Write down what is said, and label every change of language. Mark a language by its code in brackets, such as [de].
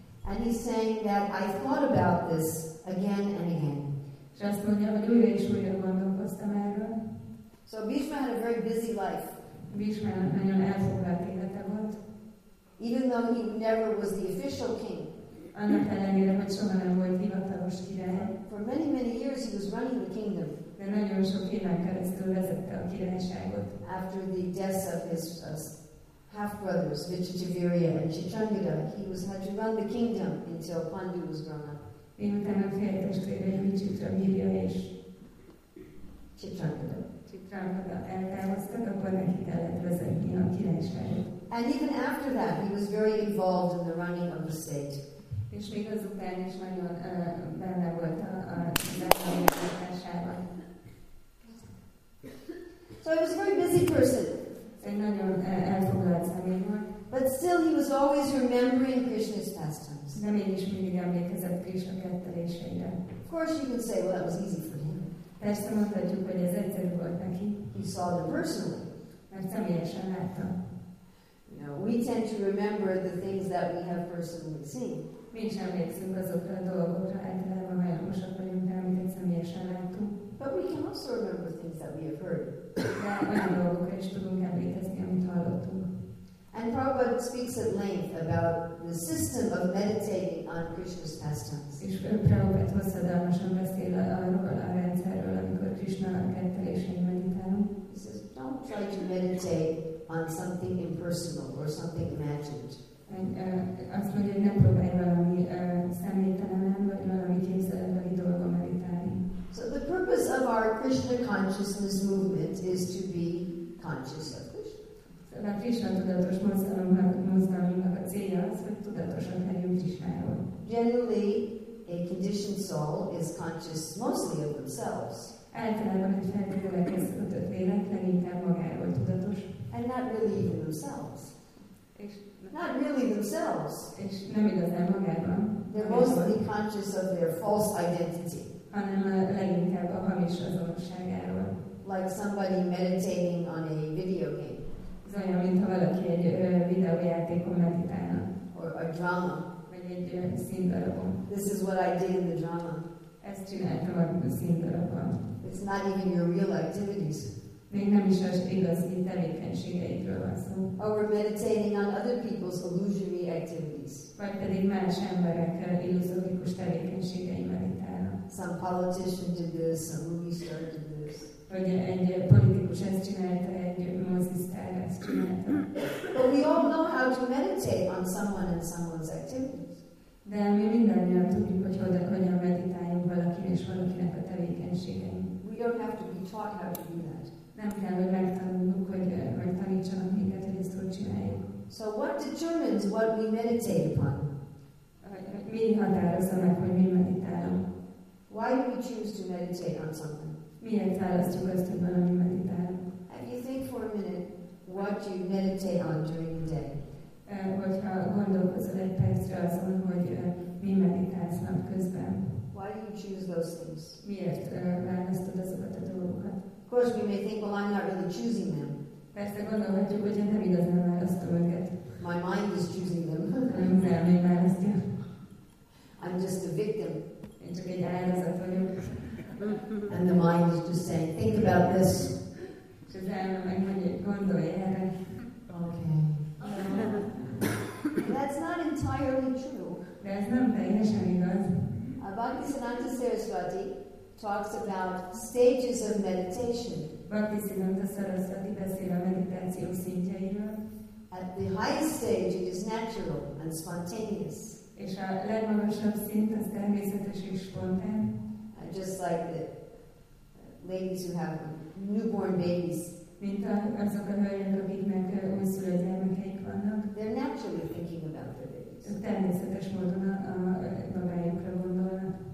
[en] And he's saying that I thought about this again and again. [hu] És azt mondja, hogy újra és újra gondolkoztam erről. [en] So Bhishma had a very busy life. [hu] Bhishma nagyon elfoglalt élete volt. [en] Even though he never was the official king. [hu] Annak ellenére, hogy soha nem volt hivatalos király. [en] For many, many years he was running the kingdom. [hu] De nagyon sok éven keresztül vezette a királyságot. [en] After the death of his half-brothers, Vichitavirya and Chichandra, he was had to run the kingdom until Pandu was grown up. [hu] Miután a fél testvére Vichitavirya és Chichandra eltávoztak, akkor neki kellett vezetni a királyságot. [en] And even after that, he was very involved in the running of the state. [hu] És még azután is nagyon benne volt a vezetésében. [en] So he was a very busy person. [hu] Egy nagyon elfoglalt személy volt. [en] But still he was always remembering Krishna's pastimes. [hu] De mégis mindig emlékezett Krishna ketteléseire. [en] Of course you could say, well, that was easy for him. [hu] Persze mondhatjuk, hogy ez egyszerű volt neki. [en] He saw the personally. [hu] Mert személyesen látta. [en] You know, we tend to remember the things that we have personally seen. [hu] Mi sem emlékszünk azokra a dolgokra, általában hajlamosak vagyunk, amiket személyesen láttunk. [en] But we can also remember things that we have heard. [hu] De olyan dolgokra is tudunk emlékezni, amit hallottunk. [en] And Prabhupada speaks at length about the system of meditating on Krishna's pastimes. [hu] És Prabhupada hosszadalmasan beszél arról a rendszerről, amikor Krishna kettelésén meditálunk. [en] He says, don't try to meditate on something impersonal or something imagined. [hu] Azt mondja, hogy ne próbálj valami személytelenen, vagy valami képzeletbeli dolgon meditálni. [en] So the purpose of our Krishna consciousness movement is to be conscious of Krishna. [hu] A Krishna tudatos mozgalomnak a célja az, hogy tudatosan legyünk Krishnáról. [en] Generally, a conditioned soul is conscious mostly of themselves. [hu] Általában egy felkülönkeztetett lélek leginkább magáról tudatos. [en] And not really even themselves. Not really themselves. [hu] És nem igazán magában. [en] They're mostly conscious of their false identity. [hu] Hanem leginkább a hamis azonosságáról. [en] Like somebody meditating on a video game. [hu] Ez olyan, mintha valaki egy videójátékon meditálna. [en] Or a drama. [hu] Vagy egy színdarabon. [en] This is what I did in the drama. [hu] Ezt csináltam a színdarabon. [en] It's not even your real activities. [hu] Még nem is az igazi tevékenységeidről van szó. [en] Or we're meditating on other people's illusory activities. [hu] Vagy pedig más emberek illuzórikus tevékenységei meditálnak. [en] Some politician did this, some movie star did this. [hu] Vagy egy politikus ezt csinálta, egy mozisztár ezt csinálta. [en] But we all know how to meditate on someone and someone's activities. [hu] De mi mindannyian tudjuk, hogy hogyan meditáljunk valakin és valakinek a tevékenységein. [en] We don't have to be taught how to do that. [hu] Nem kell, hogy megtanulnunk, hogy tanítsanak minket, hogy ezt hogy csináljuk. [en] So what determines what we meditate upon? [hu] Mi határozza meg, hogy mi meditálunk? [en] Why do we choose to meditate on something? [hu] Miért választjuk azt, hogy valami meditálunk? [en] And you think for a minute, what do you meditate on during the day? [hu] Hogyha gondolkozol egy percre azon, hogy mi meditálsz napközben. [en] Why do you choose those things? [hu] Miért választod azokat a dolgokat? [en] Of course, we may think, well, I'm not really choosing them. [hu] Persze gondolhatjuk, hogy nem igazán választom őket. [en] My mind is choosing them. [hu] Nem, én választja. [en] I'm just a victim. [hu] Én csak egy áldozat vagyok. [en] And the mind is just saying, think about this. [hu] És az elme meg mondja, gondolj erre. [en] Okay. That's not entirely true. [hu] De ez nem teljesen igaz. [en] Bhakti Sananda Saraswati talks about stages of meditation. [hu] Bhaktisiddhanta Saraswati beszél a meditáció szintjeiről. [en] At the highest stage, it is natural and spontaneous. [hu] És a legmagasabb szint az természetes és spontán. [en] And just like the ladies who have newborn babies. [hu] Mint azok a hölgyek, akiknek újszülött gyermekeik vannak. [en] They're naturally thinking about their babies. [hu] Természetes módon a babájukra gondolnak.